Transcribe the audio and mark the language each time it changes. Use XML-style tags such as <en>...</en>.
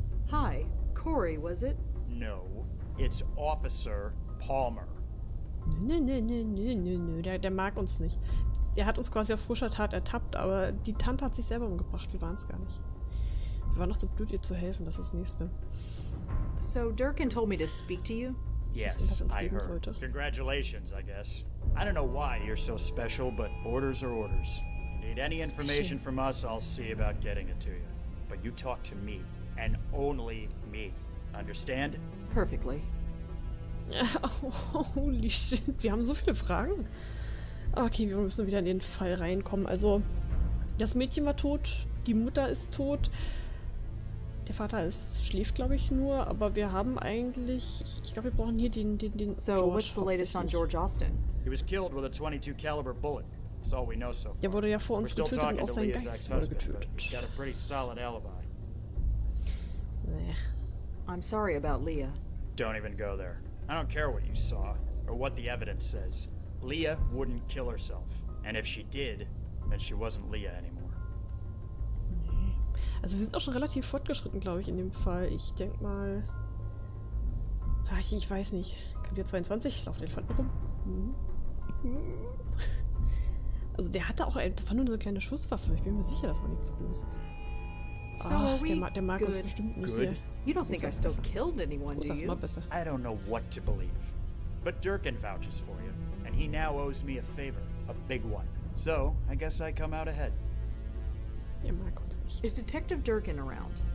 <en>Hi, Corey, was it? No, it's Officer Palmer.</en> <de>Nö, der mag uns nicht. Der hat uns quasi auf frischer Tat ertappt, aber die Tante hat sich selber umgebracht. Wir waren es gar nicht. Wir waren noch zu blöd, ihr zu helfen. Das ist das Nächste.</de> <en>So Durkin told me to speak to you? Yes, I heard. Congratulations, I guess. I don't know why you're so special, but orders are orders. You need any information from us, I'll see about getting it to you. But you talk to me, and only me. Understand? Perfectly. Holy shit,</en> <de>wir haben so viele Fragen. Okay, wir müssen wieder in den Fall reinkommen. Also, das Mädchen war tot, die Mutter ist tot. Der Vater schläft, glaube ich, nur, aber wir haben eigentlich. Ich glaube, wir brauchen hier den</de> <en>so, what's the latest on George Austin? He was killed with a 22 caliber bullet. That's all we know so far.</en> <de>Der wurde ja vor uns getötet und auch sein Geist wurde getötet.</de> <en>He's got a pretty solid alibi. I'm sorry about Leah. Don't even go there. I don't care what you saw or what the evidence says. Leah wouldn't kill herself. And if she did, then she wasn't Leah anymore.</en> <de>Also wir sind auch schon relativ fortgeschritten, glaube ich, in dem Fall. Ich denke mal... Ach, ich weiß nicht. Kapitel 22, lauf den Elefanten rum. Also der hatte auch... Das war nur so eine kleine Schusswaffe. Ich bin mir sicher, das war nichts Großes. Ach, der mag uns bestimmt nicht hier.</de> <en>You don't think I still killed anyone, do you? I don't know what to believe. But Durkin vouches for you. And he now owes me a favor. A big one. So, I guess I come out ahead. Is Detective Durkin around?</en>